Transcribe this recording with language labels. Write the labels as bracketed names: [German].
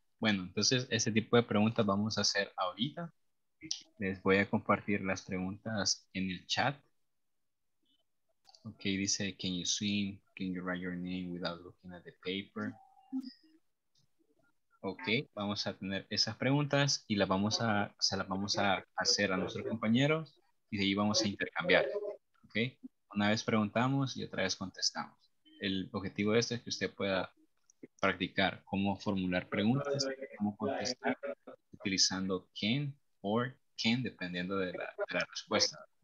[Spanish] Bueno, entonces ese tipo de preguntas vamos a hacer ahorita. Les voy a compartir las preguntas en el chat. [English] Okay, dice, can you swim? Can you write your name without looking at the paper? [Spanish] Okay, vamos a tener esas preguntas y se las vamos a hacer a nuestros compañeros y de ahí vamos a intercambiar. Okay, una vez preguntamos y otra vez contestamos. El objetivo de esto es que usted pueda practicar cómo formular preguntas, cómo contestar utilizando can or can, dependiendo de la respuesta.